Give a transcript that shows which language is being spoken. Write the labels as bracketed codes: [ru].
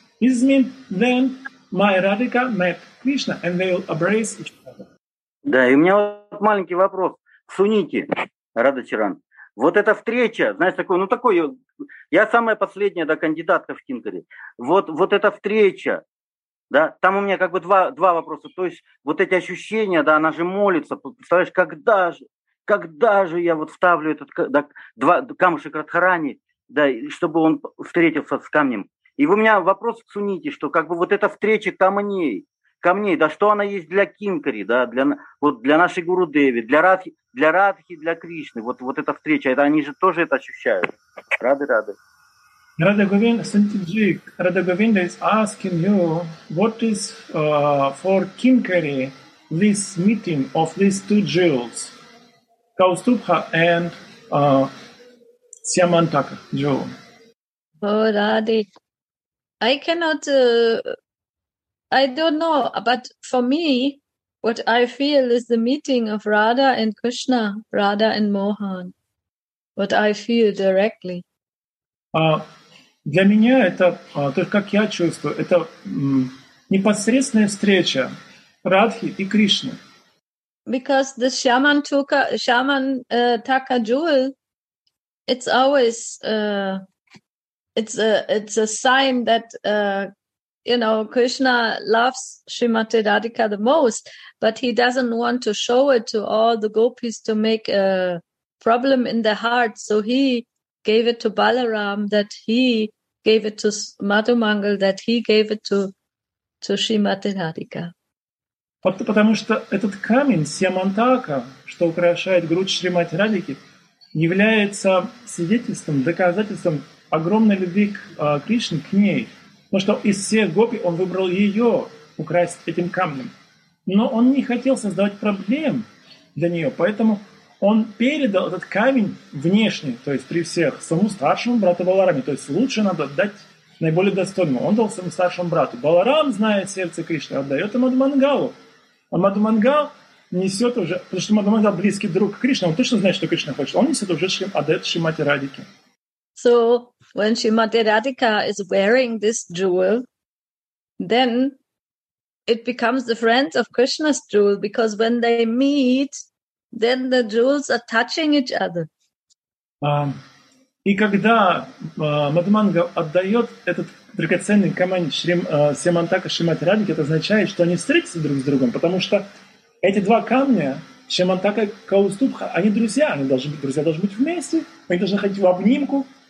[en] This means then my Radhika met Krishna and they will embrace each other. [ru] Да, и у меня вот маленький вопрос. Суните, Рада Чаран. Вот эта встреча, знаешь, такой, ну такой, я самая последняя, да, кандидатка в Кинкари. Вот эта встреча, да, там у меня как бы два вопроса. То есть вот эти ощущения, да, она же молится. Представляешь, когда же я вот вставлю этот, да, два камушек Радхарани, да, чтобы он встретился с камнем. И у меня вопрос к Суните, что как бы вот эта встреча ко мне, да, что она есть для Кинкари, да, для, вот для нашей Гуру Деви, для Радхи, для Кришны, вот эта встреча, это они же тоже это ощущают. Рады. [en] Radha Govinda, Santiji, Radha Govinda is asking you, what is for Kinkari this meeting of these two jewels, Kaustubha and Shyamantaka jewel? Oh, Radhi, I cannot, I don't know, but for me, what I feel is the meeting of Radha and Krishna, Radha and Mohan, what I feel directly. [ru] Для меня это, то есть как я чувствую, это непосредственная встреча Радхи и Кришны. [en] Because the Shyamantaka jewel, it's always, it's a sign that, you know, Krishna loves Srimati Radhika the most, but he doesn't want to show it to all the gopis to make a problem in their heart. So he gave it to Balaram, that he gave it to Madhu Mangal, that he gave it to Srimati Radhika. [ru] Потому что этот камень Сьямантака, что украшает грудь Шримати Радхики, является свидетельством, доказательством огромной любви к Кришне, к ней. Потому что из всех гопи он выбрал ее украсть этим камнем. Но он не хотел создавать проблем для нее, поэтому он передал этот камень внешне, то есть при всех, своему старшему брату Баларами. То есть лучше надо дать наиболее достойному. Он дал своему старшему брату. Баларам, зная сердце Кришны, отдает Мадху Мангалу. А Мадху Мангал несет уже, потому что Мадху Мангал близкий друг Кришны, он точно знает, что Кришна хочет. Он несет уже, отдает Шримати Радхике. [en] So, when Shrimati Radhika is wearing this jewel, then it becomes the friend of Krishna's jewel, because when they meet, then the jewels are touching each other. [ru] И когда Мадху Мангал отдает этот драгоценный камень Сьямантака Шримати Радхике, это означает, что они встретятся друг с другом, потому что эти два камня, Сьямантака и Каустубха, они друзья, они должны быть вместе, они должны ходить в обнимку.